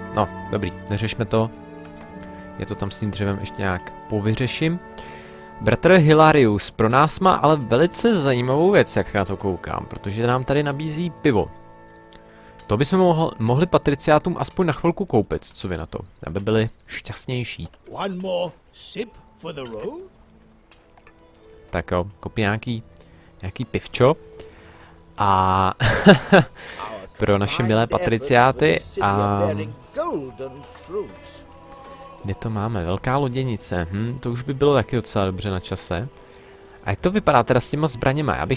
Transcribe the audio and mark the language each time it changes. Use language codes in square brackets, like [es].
[cs] No, dobrý, neřešme to. Je to tam s tím dřevem ještě nějak povyřeším. Bratr Hilarius pro nás má ale velice zajímavou věc, jak na to koukám, protože nám tady nabízí pivo. To bychom mohli patriciátům aspoň na chvilku koupit, co vy na to, aby byli šťastnější. [en] One more sip for the road. [cs] Tak jo, koupí nějaký pivčo. A pro naše milé patriciáty a kde to máme? Velká loděnice. To už by bylo taky docela dobře na čase. A jak to vypadá teda s těma zbraněma?